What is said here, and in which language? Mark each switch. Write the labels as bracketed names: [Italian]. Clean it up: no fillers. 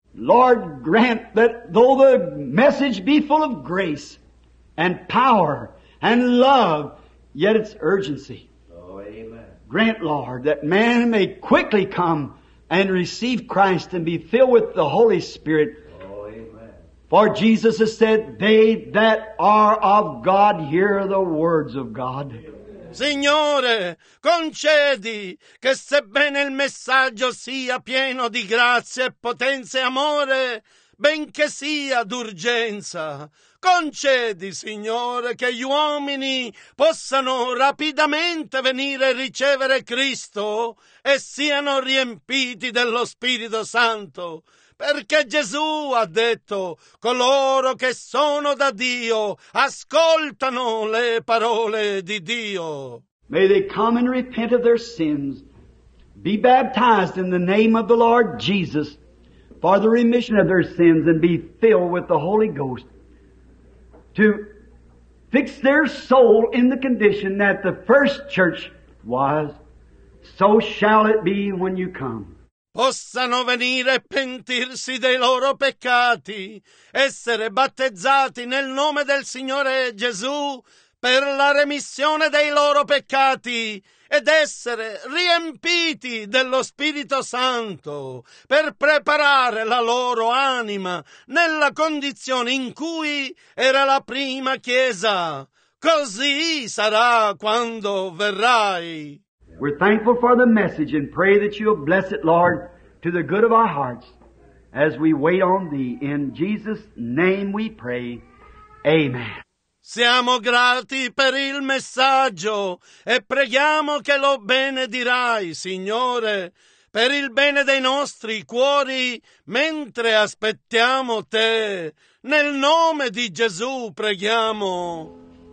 [English] Lord, grant that though the message be full of grace and power and love, yet its urgency. Oh, amen. Grant, Lord, that man may quickly come and receive Christ and be filled with the Holy Spirit. For Jesus has said, they that are of God hear the words of God. [Italian] Signore, concedi che sebbene il messaggio sia pieno di grazia e potenza e amore, benché sia d'urgenza, concedi, Signore, che gli uomini possano rapidamente venire a ricevere Cristo e siano riempiti dello Spirito Santo. Perché Gesù ha detto, coloro che sono da Dio ascoltano le parole di Dio. [English] May they come and repent of their sins, be baptized in the name of the Lord Jesus for the remission of their sins and be filled with the Holy Ghost to fix their soul in the condition that the first church was, so shall it be when you come. [Italian] Possano venire e pentirsi dei loro peccati, essere battezzati nel nome del Signore Gesù per la remissione dei loro peccati ed essere riempiti dello Spirito Santo per preparare la loro anima nella condizione in cui era la prima Chiesa. Così sarà quando verrai. [English] We're thankful for the message and pray that you'll bless it, Lord, to the good of our hearts as we wait on Thee. In Jesus' name we pray. Amen. [Italian] Siamo grati per il messaggio e preghiamo che lo benedirai, Signore, per il bene dei nostri cuori, mentre aspettiamo Te. Nel nome di Gesù preghiamo.